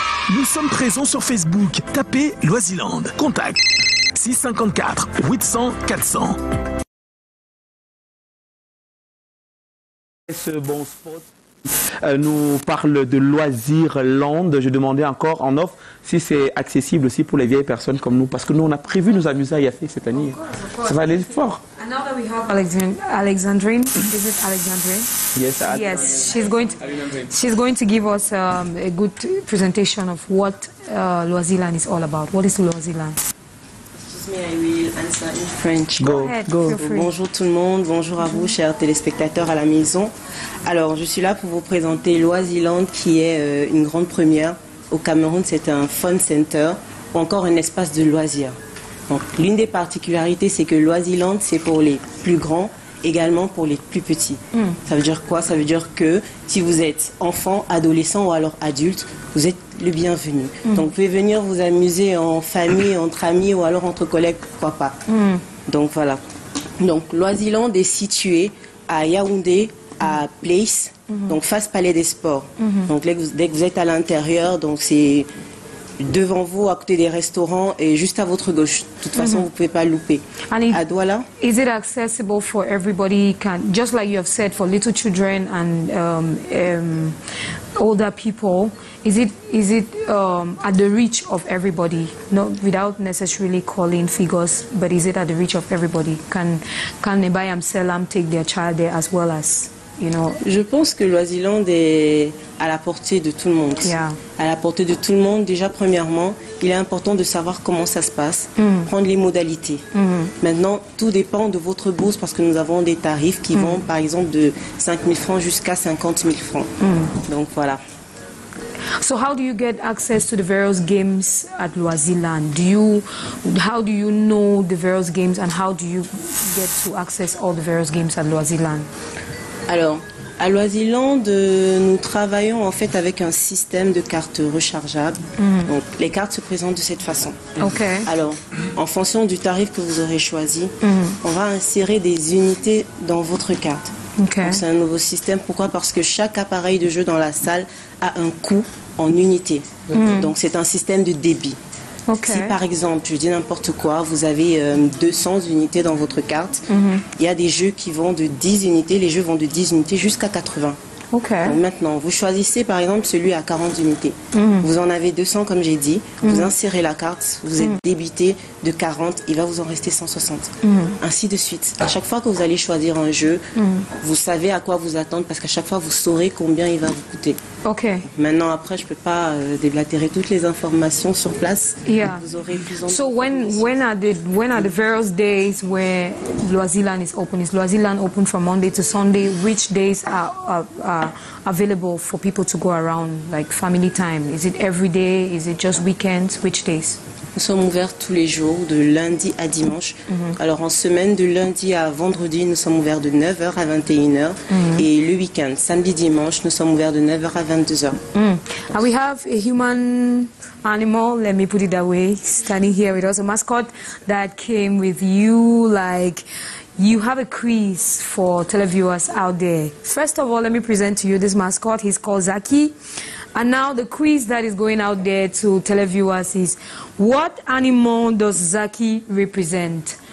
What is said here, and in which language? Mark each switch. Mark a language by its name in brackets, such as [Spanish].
[French] Nous sommes présents sur Facebook. Tapez Loisirland. Contact 654 800 400. Ce bon spot nous parle de Loisirland. Je demandais encore en off si c'est accessible aussi pour les vieilles personnes comme nous, parce que nous on a prévu nous amuser à Yaffé cette année. [English] Of course. [French] Ça va aller fort. [English] Now that we have Alexandrine, is it Alexandrine? Yes, yes. She's going to give us a good presentation of what Loisirland is all about. What is Loisirland? Me, I will answer in French. Go. Go ahead, go. [French] Bonjour tout le monde, bonjour à vous chers téléspectateurs à la maison. Alors je suis là pour vous présenter Loisirland qui est une grande première au Cameroun. C'est un fun center ou encore un espace de loisirs. Donc, l'une des particularités c'est que Loisirland c'est pour les plus grands, également pour les plus petits. Mm. Ça veut dire quoi? Ça veut dire que si vous êtes enfant, adolescent ou alors adulte, vous êtes le bienvenu. Mmh. Donc vous pouvez venir vous amuser en famille, entre amis ou alors entre collègues, pourquoi pas. Mmh. Donc voilà. Donc Loisirland est situé à Yaoundé, à Place, mmh. donc face palais des sports. Mmh. Donc dès que vous êtes à l'intérieur, donc c'est devant vous, à côté des restaurants et juste à votre gauche. De toute façon, mm-hmm. vous ne pouvez pas louper. [English] And [French] à Douala. [English] Is it accessible for everybody? Can, just like you have said, for little children and older people, is it at the reach of everybody? Not without necessarily calling figures, but is it at the reach of everybody? Can a buy and sell them take their child there as well as... You know. [French] Je pense que Loisirland est à la portée de tout le monde. [English] Yeah. [French] À la portée de tout le monde, déjà premièrement, il est important de savoir comment ça se passe, mm. prendre les modalités. Mm. Maintenant, tout dépend de votre bourse parce que nous avons des tarifs qui mm. vont par exemple de 5 000 francs jusqu'à 50 000 francs. Mm. Donc voilà. [English] So how do you get access to the various games at Loisirland? How do you know the various games and how do you get to access all the various games at Loisirland? [French] Alors, à Loisirland, nous travaillons en fait avec un système de cartes rechargeables. Mm-hmm. Donc, les cartes se présentent de cette façon. [English] Okay. [French] Alors, en fonction du tarif que vous aurez choisi, mm-hmm. on va insérer des unités dans votre carte. [English] Okay. [French] Donc, c'est un nouveau système. Pourquoi ? Parce que chaque appareil de jeu dans la salle a un coût en unité. Mm-hmm. Donc, c'est un système de débit. [English] Okay. [French] Si par exemple, je dis n'importe quoi, vous avez 200 unités dans votre carte, mm-hmm. il y a des jeux qui vont de 10 unités, les jeux vont de 10 unités jusqu'à 80. [English] Okay. [French] Donc maintenant, vous choisissez par exemple celui à 40 unités. Mm-hmm. Vous en avez 200 comme j'ai dit, mm-hmm. vous insérez la carte, vous mm-hmm. êtes débité de 40, il va vous en rester 160. Mm-hmm. Ainsi de suite. À chaque fois que vous allez choisir un jeu, mm-hmm. vous savez à quoi vous attendre parce qu'à chaque fois vous saurez combien il va vous coûter. [English] Okay. [French] Maintenant, après, je ne peux pas déblatérer toutes les informations sur place. [English] Yeah. [French] Vous aurez plus en [English] So when are the various days where Loisirland is open? Is Loisirland open from Monday to Sunday? Which days are available for people to go around, like family time? Is it every day? Is it just weekends? Which days? [French] Nous sommes ouverts tous les jours, de lundi à dimanche. Mm-hmm. Alors en semaine, de lundi à vendredi, nous sommes ouverts de 9h à 21h. Mm-hmm. Et le week-end, samedi, dimanche, nous sommes ouverts de 9h à 22h. Mm. [English] And we have a human animal, let me put it that way, standing here with us, a mascot that came with you. Like, you have a quiz for televiewers out there. First of all, let me present to you this mascot. He's called Zaki. And now the quiz that is going out there to televiewers is, what animal does Zaki represent?